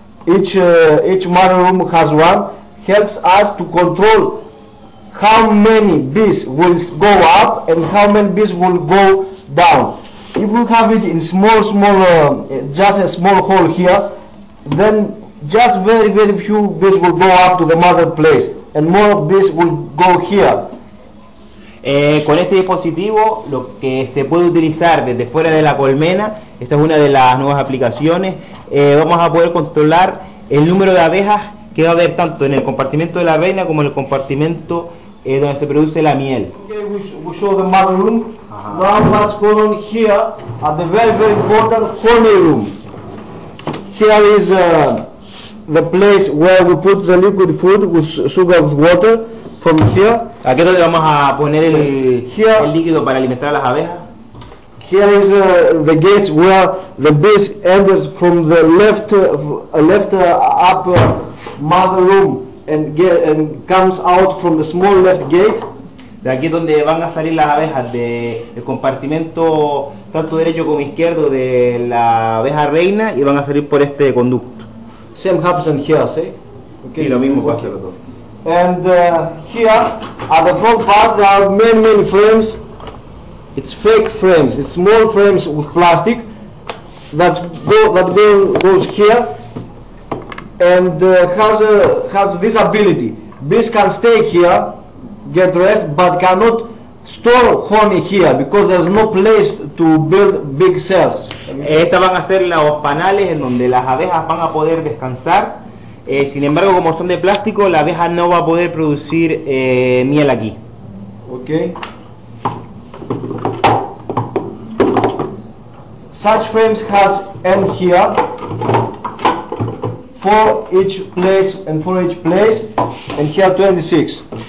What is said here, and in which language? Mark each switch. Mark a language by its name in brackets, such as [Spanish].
[English] each mother room has one, helps us to control how many bees will go up and how many bees will go down. If we have it in small, just a small hole here, then just very, very few bees will go up to the mother place, and more bees will go here. [Spanish] Con este dispositivo, lo que se puede utilizar desde fuera de la colmena, esta es una de las nuevas aplicaciones, vamos a poder controlar el número de abejas que va a haber tanto en el compartimento de la reina como en el compartimento donde se produce la miel. [English] Okay, we show the mother room. Uh-huh. Now what's going on here at the very, very important honey room. Here is the place where we put the liquid food with sugar with water from here. [Spanish] Aquí es donde vamos a poner el líquido para alimentar a las abejas. [English] Here is the gates where the bees enter from the left upper mother room and comes out from the small left gate. [Spanish] De aquí es donde van a salir las abejas del compartimento tanto derecho como izquierdo de la abeja reina y van a salir por este conducto. [English] Same happens in here, see? [Spanish] Okay. Sí, lo mismo okay. Pasa todo. [English] And here, at the front part, there are many, many frames. It's fake frames. It's small frames with plastic that goes here and has this ability. Bees can stay here, get rest, but cannot store honey here because there's no place to build big cells. [Spanish] Estas van a ser los panales en donde las abejas van a poder descansar. Sin embargo, como son de plástico, la abeja no va a poder producir miel aquí. [English] Ok. Such frames has end here for each place and for each place and here 26.